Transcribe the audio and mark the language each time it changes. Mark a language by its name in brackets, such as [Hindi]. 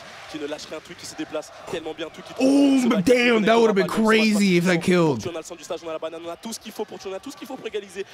[French] Qui ne lâcherait un Tweak qui se déplace tellement bien. Tweak. [English] Oh damn, that would have been crazy if that killed. [French] On a le sang du stage, on a la banane, on a tout ce qu'il faut pour tuer, tout ce qu'il faut pour égaliser.